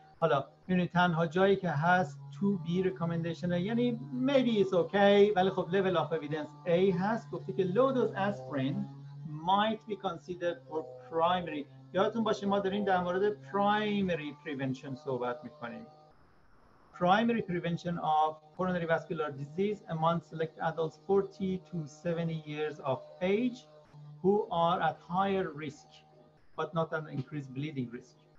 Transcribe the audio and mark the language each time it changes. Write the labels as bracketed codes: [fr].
[fa] حالا میبینید تنها جایی که هست 2B ریکامندیشن یعنی [en] maybe it's okay [fa] ولی خب [en] level of evidence A [fa] هست. گفتی که [en] low dose aspirin might be considered for primary [fa] یادتون باشه ما داریم در مورد پرایمری پریونشن صحبت میکنیم. [en] Primary prevention of coronary vascular disease among select adults 40 to 70 years of age who are at higher risk but not an increased bleeding risk.